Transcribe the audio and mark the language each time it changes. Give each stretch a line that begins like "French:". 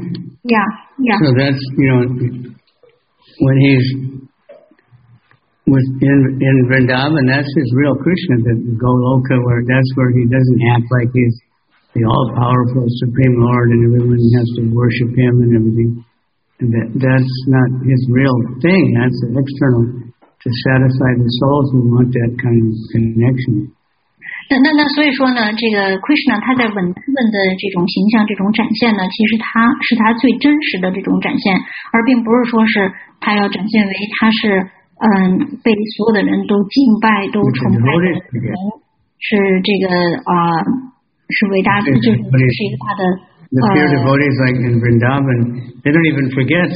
English: So that's, you know, when he's in Vrindavan, that's his real Krishna, the Goloka, where that's where he doesn't act like he'sThe all-powerful Supreme Lord and everyone has to worship him and everything. And that's not his real thing. That's an external to satisfy the souls who want that kind of connection.
Chinese: 那所以说呢，这个 Krishna 他在文本的这种形象这种展现呢，其实他是他最真实的这种展现，而并不是说是他要展现为他是被所有的人都敬拜都崇拜的人，是这个是伟大的，就是一个他的。
English: The pure devotees like in Vrindavan, they don't even forget.